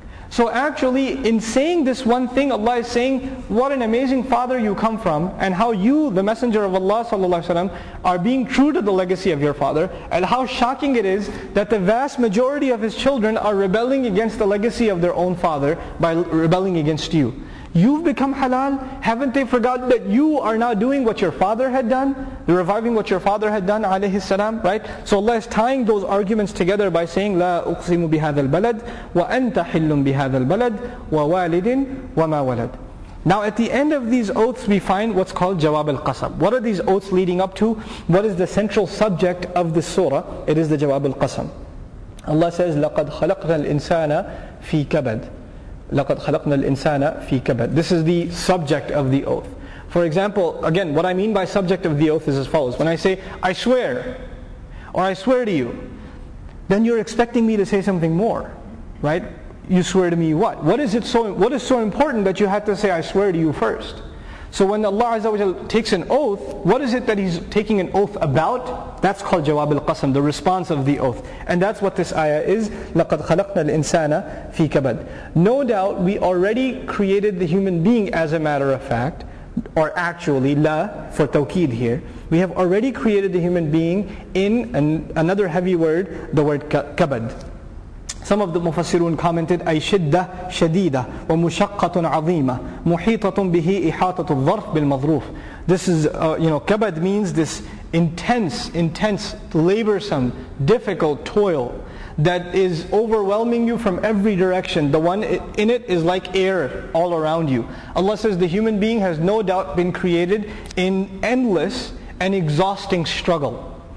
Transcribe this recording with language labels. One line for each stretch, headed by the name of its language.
English: So actually, in saying this one thing, Allah is saying, what an amazing father you come from, and how you, the Messenger of Allah sallallahu alayhi wasallam, are being true to the legacy of your father, and how shocking it is that the vast majority of his children are rebelling against the legacy of their own father by rebelling against you. You've become halal, haven't they forgotten that you are now doing what your father had done? You're reviving what your father had done, alayhi salam, right? So Allah is tying those arguments together by saying,
Arabic: لَا أُقْسِمُ بِهَذَا الْبَلَدِ وَأَنْتَ حِلٌّ بِهَذَا الْبَلَدِ وَوَالِدٍ وَمَا وَلَدٍ.
English: Now at the end of these oaths we find what's called Jawab al-Qasam. What are these oaths leading up to? What is the central subject of this surah? It is the Jawab al-Qasam. Allah says,
Arabic: لَقَدْ خَلَقْنَا الْإِنسَانَ فِي كَبَدٍ. لَقَدْ خَلَقْنَا الْإِنسَانَ فِي كَبَدٍ.
English: This is the subject of the oath. For example, again, what I mean by subject of the oath is as follows. When I say, I swear, or I swear to you, then you're expecting me to say something more, right? You swear to me what? What is so important that you have to say, I swear to you first? So when Allah Azza wa Jal takes an oath, what is it that He's taking an oath about? That's called Jawab al-Qasam, the response of the oath. And that's what this ayah is.
Arabic: لَقَدْ خَلَقْنَا الْإِنسَانَ فِي كَبَدٍ.
English: No doubt, we already created the human being as a matter of fact, or actually, la for tawkeed here. We have already created the human being in another heavy word, the word kabad. Some of the mufassirun commented,
Arabic: أي شدة شديدة ومشقة عظيمة محيطة به إحاطة الظرف بالمظروف.
English: This is, you know, kabad means this intense, laborsome, difficult toil that is overwhelming you from every direction. The one in it is like air all around you. Allah says the human being has no doubt been created in endless and exhausting struggle.